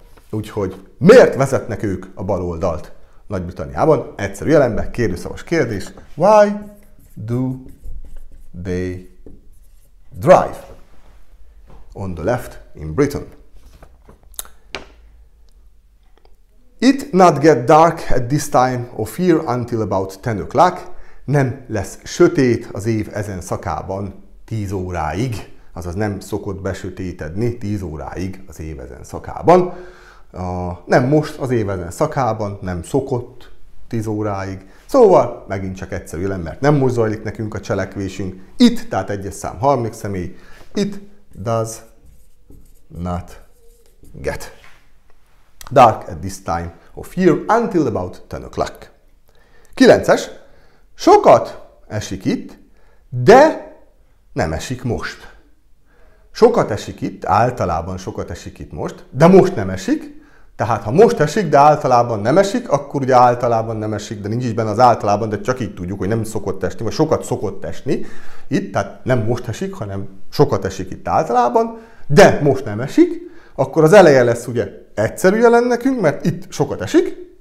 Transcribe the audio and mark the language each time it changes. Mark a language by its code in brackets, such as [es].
[hu] Úgyhogy miért vezetnek ők a baloldalt Nagy-Britanniában? Egyszerű jelenben, kérdőszavas kérdés. [en] Why do they drive on the left in Britain? It not get dark at this time of year until about 10 o'clock. [hu] Nem lesz sötét az év ezen szakában 10 óráig. Azaz nem szokott besötétedni 10 óráig az év ezen szakában. Nem most az év ezen szakában, nem szokott 10 óráig. Szóval megint csak egyszerű lenne, mert nem most zajlik nekünk a cselekvésünk. It, tehát egyes szám harmadik személy. [en] It does not get dark at this time of year until about 10 o'clock. [hu] 9-es. Sokat esik itt, de nem esik most. Sokat esik itt, általában sokat esik itt most, de most nem esik. Tehát ha most esik, de általában nem esik, akkor ugye általában nem esik, de nincs is benne az általában, de csak így tudjuk, hogy nem szokott esni, vagy sokat szokott esni itt, tehát nem most esik, hanem sokat esik itt általában, de most nem esik, akkor az eleje lesz ugye egyszerű jelen nekünk, mert itt sokat esik,